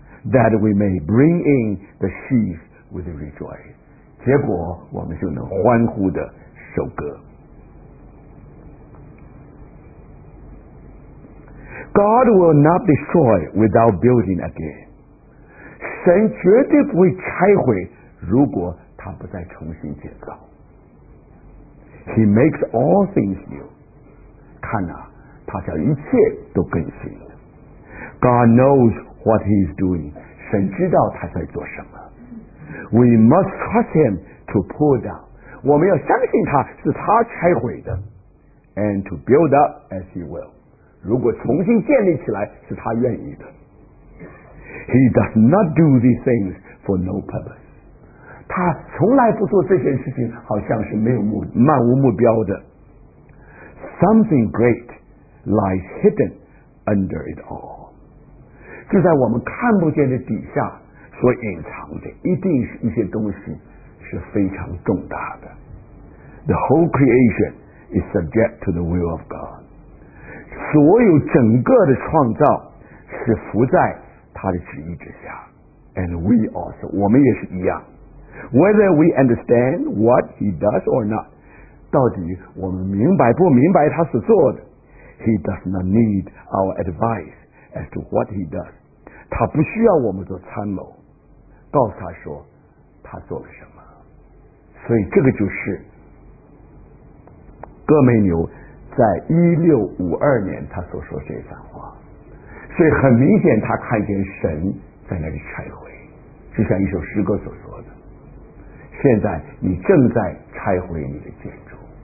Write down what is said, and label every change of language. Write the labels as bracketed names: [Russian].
[English] That we may bring in the sheaf with rejoice. [Chinese] 结果我们就能欢呼的收割。 [English] God will not destroy without building again. [Chinese] 神绝对不会拆毁，如果他不再重新建造。 [English] He makes all things new. [Chinese] 看啊，他叫一切都更新了。 [English] God knows what he is doing. [Chinese] 神知道他在做什么。 [English] We must trust him to pull down. [Chinese] 我们要相信他是他拆毁的。 [English] And to build up as he will. [Chinese] 如果重新建立起来是他愿意的。 [English] He does not do these things for no purpose. [Chinese] 他从来不做这件事情，好像是没有目，漫无目标的。 [English] Something great lies hidden under it all. [Chinese] 就在我们看不见的底下所隐藏的，一定是一些东西是非常重大的。 [English] The whole creation is subject to the will of God. [Chinese] 所有整个的创造是伏在他的旨意之下。 [English] And we also, [Chinese] 我们也是一样。 [English] Whether we understand what he does or not, [Chinese] 到底我们明白不明白他所做的， [English] he does not need our advice as to what he does. [Chinese] 他不需要我们做参谋，告诉他说他做了什么。所以这个就是戈梅纽在1652年他所说这番话。所以很明显他看见神在那里拆毁，就像一首诗歌所说的，现在你正在拆毁你的建筑。